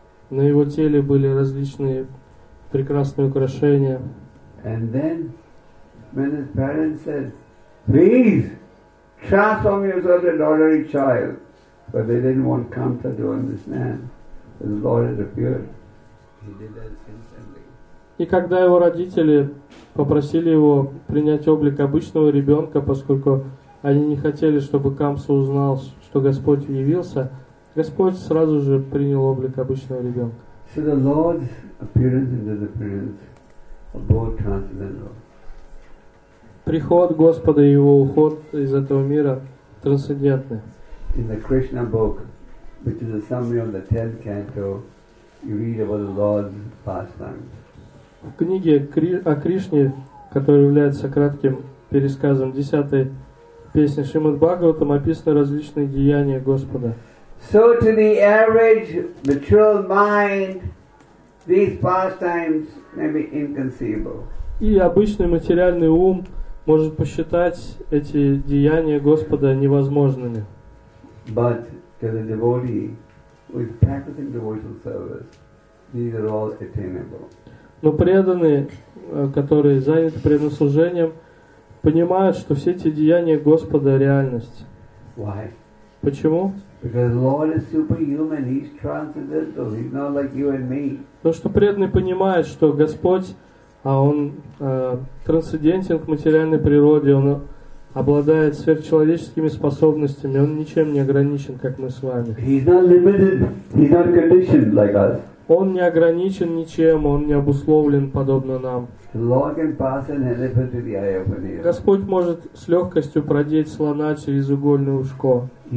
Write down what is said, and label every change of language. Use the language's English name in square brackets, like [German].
[Russian] На его теле были различные прекрасные украшения. [English] And then, when his parents said, "Please, transform yourself into an ordinary child," but they didn't want Kamsa to understand. His Lord had appeared. He did that instantly. [Russian] И когда его родители попросили его принять облик обычного ребенка, поскольку они не хотели, чтобы Камса узнал, что Господь явился, Господь сразу же принял облик обычного ребенка. [English] So the Lord's appearance and disappearance are both transcendental. [Russian] Приход Господа и его уход из этого мира трансцендентны. [English] In the Krishna book, which is a summary of the 10th canto, you read about the Lord's pastimes. [Russian] В книге о Кришне, которая является кратким пересказом 10-й песни Шримад Бхагаватам, описаны различные деяния Господа. [English] So to the average mature mind, these pastimes may be inconceivable. [Russian] И обычный материальный ум может посчитать эти деяния Господа невозможными. [English] But to the devotee who is practicing devotional service, these are all attainable. [Russian] Но преданные, которые заняты преданным служением, понимают, что все эти деяния Господа – реальность. [English] Why? [Russian] Почему? [English] Because the Lord is superhuman, He's transcendental, He's not like you and me. [Russian] Потому что преданный понимает, что Господь, Он трансцендентен к материальной природе, Он обладает сверхчеловеческими способностями, Он ничем не ограничен, как мы с вами. [English] He's not limited, He's not conditioned like us. [Russian] Он не ограничен ничем, Он не обусловлен подобно нам. Господь может с легкостью продеть слона через угольное ушко.